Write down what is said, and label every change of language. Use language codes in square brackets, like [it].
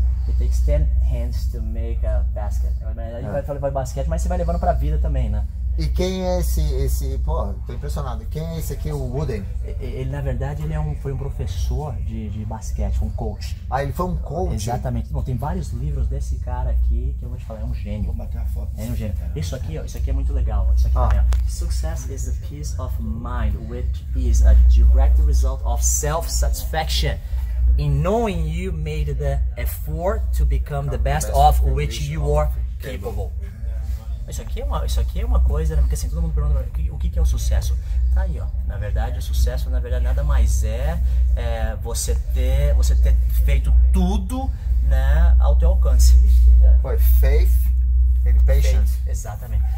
[en] It takes 10 hands to make a basket. [pt] Aí vai levar o basquete, mas você vai levando pra vida também, né? E quem é esse pô, tô impressionado. Quem é esse aqui, o Wooden? Ele, na verdade, ele foi um professor de basquete, um coach. Ah, ele foi um coach? Exatamente. Bom, tem vários livros desse cara aqui que eu vou te falar, é um gênio. Vou bater a foto. É um gênio. Isso aqui, ó, isso aqui é muito legal. Isso aqui é legal. [en] Success is the peace of mind, which is a direct result of self-satisfaction. In knowing you made the effort to become the best of which you are capable. [pt] Isso aqui é uma coisa, né? Porque assim, todo mundo pergunta o que é o sucesso. Tá aí, ó. Na verdade, o sucesso, na verdade, nada mais é você ter feito tudo, né, ao teu alcance. Foi [en] faith and patience. Faith, [pt] exatamente.